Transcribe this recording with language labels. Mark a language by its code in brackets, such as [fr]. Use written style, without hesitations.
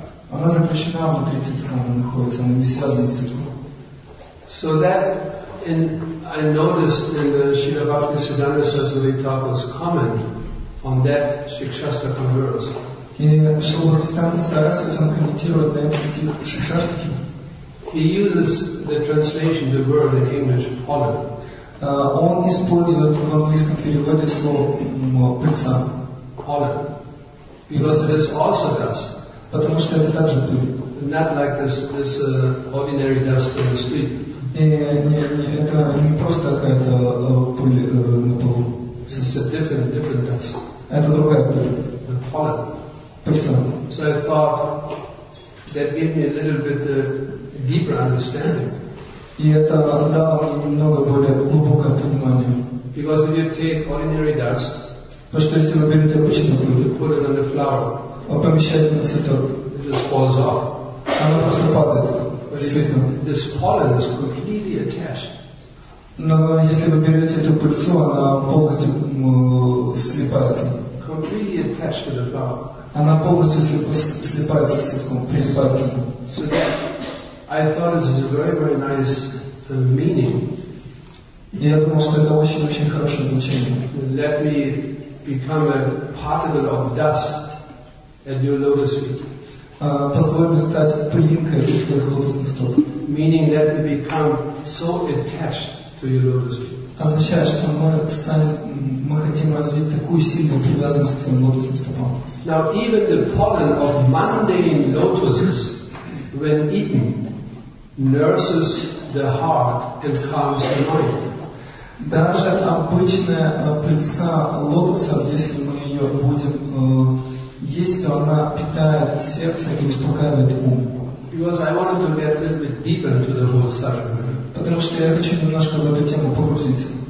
[ru] Она заключена внутри цветка, она находится, она не связана с цветком. [en] So that, in, I noticed in the Srila Bhaktisiddhanta Saraswati Thakur's comment on that Shikshastra converse. [ru] И Шрила Бхактисиддханта Сарасвати, он комментирует на этот стих Шикшастрики. [en] He uses the translation, the word in English, pollen. [ru] Он использует в английском переводе слово пыльца. [en] Pollen. Because it is also dust. [ru] Потому что это также пыль. [en] Not like this ordinary dust from the street. [ru] Не, это не просто какая-то пыль на полу. [en] It's a different dust. [ru] Это другая пыль. [en] The pollen. [ru] Пыльца. [en] So I thought that gave me a little bit deeper understanding. [ru] И это дало мне немного более глубокое понимание. [en] Because if you take ordinary dust, [ru] потому что если вы берете обычную пыль, [en] you put it on the flower. [ru] Он помещает на цветок. [en] It just falls off. [ru] Оно просто падает. [en] This pollen is completely attached. [ru] Но если вы берете эту пыльцу, она полностью слипается. [en] Completely attached to the flower. [ru] Она полностью слипается с цветком, приспадается. [en] So that, I thought this is a very, very nice meaning. [ru] Я думал, что это очень-очень хорошее значение. [en] Let me become a particle of dust. At your lotus feet. [ru] Позволю стать пылинкой в твоих лотосных стоп. [en] Meaning that we become so attached to your lotus feet. [ru] Означает, что мы хотим развить такую сильную привязанность к твоим лотосным стопам. [en] Now even the pollen of mundane lotuses, when eaten, nurses the heart and calms the mind. [ru] Даже обычная пыльца лотоса, если мы ее будем есть, то она питает сердце и успокаивает ум. [en] Because I wanted to get a little bit deeper into the whole subject. [ru] Потому что я хочу немножко в эту тему погрузиться.